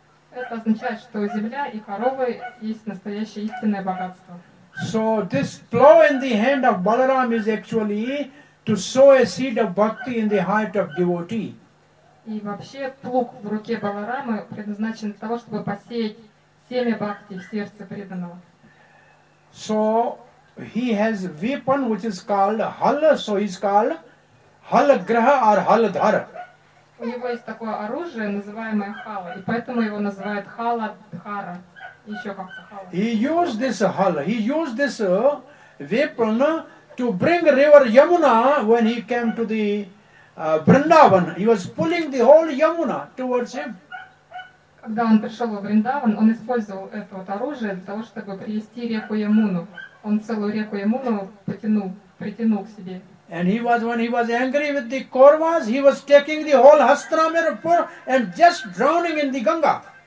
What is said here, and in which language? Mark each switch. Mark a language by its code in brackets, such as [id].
[ru] Это означает, что земля и коровы есть настоящее истинное богатство. [en] So this plow in the hand of Balaram is actually to sow a seed of bhakti in the heart of devotee. [ru] И вообще плуг в руке Баларамы предназначен для того, чтобы посеять семя бхакти в сердце преданного. [en] So he has weapon which is called hala, so he's called halagraha or haladhara. [ru] У него есть такое оружие, называемое хала, и поэтому его называют хала дхара, еще как-то хала. [en] He used this hala, he used this weapon to bring river Yamuna when he came to the Vrindavan. He was pulling the whole Yamuna towards him. [ru] Когда он пришел в Вриндаван, он использовал это вот оружие для того, чтобы привести реку Ямуну. Он целую реку Ямуну притянул к себе. [en] And he was, when he was angry with the Kauravas, he was taking the whole Hastinapur and just drowning in the Ganga.